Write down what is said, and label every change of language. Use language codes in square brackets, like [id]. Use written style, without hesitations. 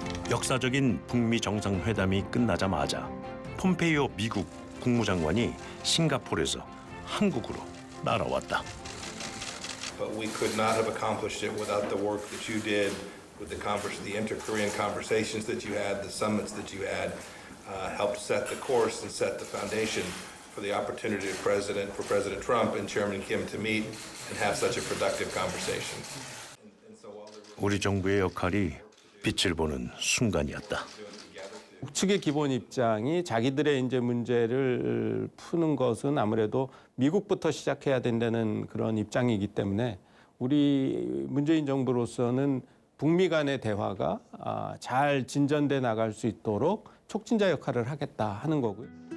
[ko] 역사적인 북미 정상회담이 끝나자마자 폼페이오 미국 국무장관이 싱가포르에서 한국으로 날아왔다. [en] But we could not have accomplished it without the work that you did with the conference, the inter-Korean conversations that you had, the summits that you had. helped set the course and set the foundation for the opportunity for President Trump and Chairman Kim to meet and have such a productive conversation. [ko] 우리 정부의 역할이 빛을 보는 순간이었다. 북측의 기본 입장이 자기들의 이제 문제를 푸는 것은 아무래도 미국부터 시작해야 된다는 그런 입장이기 때문에 우리 문재인 정부로서는 북미 간의 대화가 잘 진전돼 나갈 수 있도록 촉진자 역할을 하겠다 하는 거고요.